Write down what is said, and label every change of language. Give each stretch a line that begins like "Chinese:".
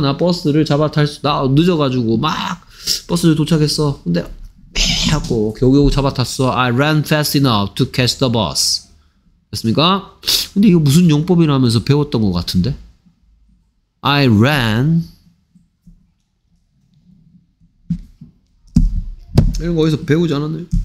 Korean: 나 버스를 잡아 탈 수, 나 늦어가지고 막 버스를 도착했어. 근데 하고 겨우겨우 잡아탔어.
English: I ran fast enough to catch the bus.
Korean: 됐습니까? 근데 이거 무슨 용법이라면서 배웠던 것 같은데?
English: I ran.
Korean: 이런 거 어디서 배우지 않았네.